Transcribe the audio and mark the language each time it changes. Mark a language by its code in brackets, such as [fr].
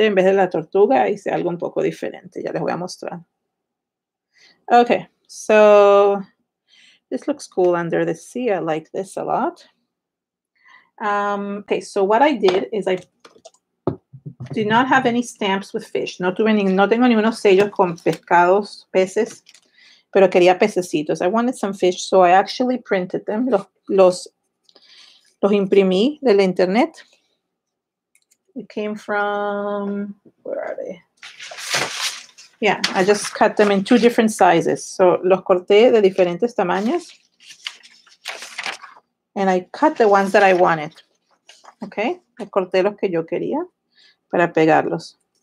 [es] En vez de la tortuga, hice algo un poco diferente. Ya les voy a mostrar. [en] Okay, so this looks cool under the sea. I like this a lot. Okay, so what I did is I did not have any stamps with fish. [es] No tengo ni unos sellos con pescados, peces, pero quería pececitos. [en] I wanted some fish, so I actually printed them. [es] Los imprimí del internet. [en] It came from, where are they? Yeah, I just cut them in two different sizes. [es] So los corté de diferentes tamaños. [en] And I cut the ones that I wanted. [es] Okay, I corté los que yo quería para pegarlos.